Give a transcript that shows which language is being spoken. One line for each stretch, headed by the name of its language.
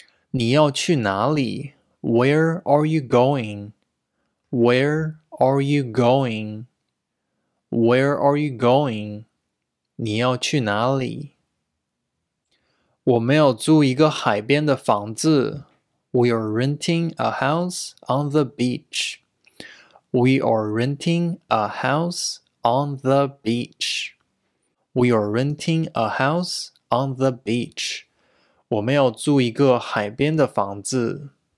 Chinese: 你要去哪里？
English: Where are you going? Where are you going? Where are you going?
Chinese: 你要去哪里？我们要租一个海边的房子。
English: We are renting a house on the beach. We are renting a house on the beach. We are renting a house on the beach.
Chinese: 我们要租一个海边的房子。